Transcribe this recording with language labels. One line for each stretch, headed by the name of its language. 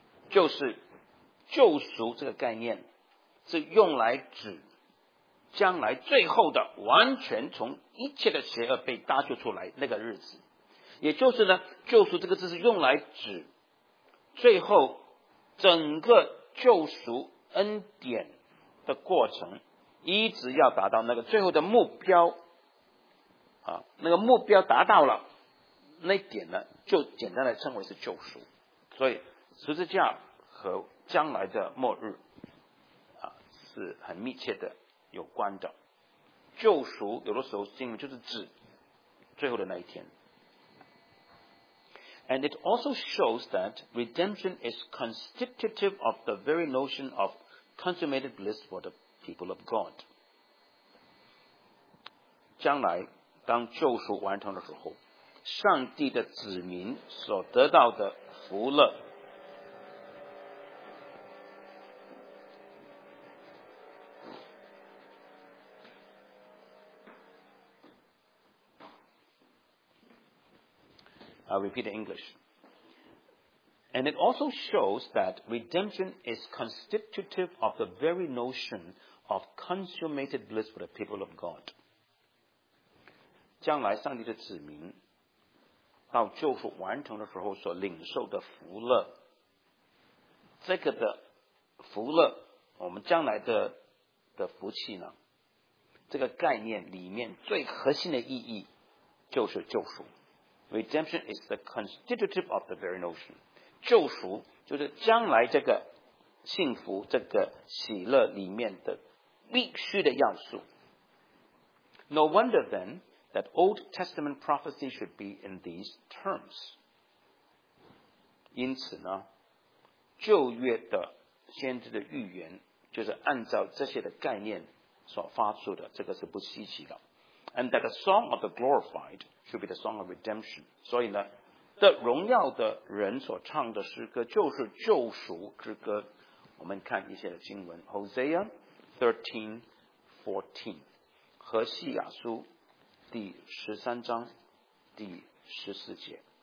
Chinese: 就是救赎这个概念是用来指将来最后的完全从一切的邪恶被搭救出来那个日子，也就是呢，救赎这个字是用来指最后整个救赎恩典的过程一直要达到那个最后的目标啊，那个目标达到了那点呢，就简单的称为是救赎。所以十字架和将来的末日啊，是很密切的有关的。救赎有的时候经文就是指最后的那一天。
English: And it also shows that redemption is constitutive of the very notion of consummated bliss for the people of God.
Chinese: 将来当救赎完成的时候，上帝的子民所得到的福乐
English: I'll repeat in English. And it also shows that redemption is constitutive of the very notion of consummated bliss for the people of God.
Chinese: 将来上帝的子民到救赎完成的时候所领受的福乐，这个的福乐，我们将来 的福气呢，这个概念里面最核心的意义就是救赎。
English: Redemption is the constitutive of the very notion.
Chinese: 救赎就是将来这个幸福、这个喜乐里面的必须的要素。
English: No wonder then that Old Testament prophecy should be in these terms.
Chinese: 因此呢，旧约的先知的预言就是按照这些的概念所发出的，这个是不稀奇的。
English: And that the song of the glorified should be the song of redemption.
Chinese: 所以呢，的荣耀的人所唱的诗歌就是救赎之歌。我们看一些的经文 ，Hosea 13:14， 何西亚书第十三章第十四节。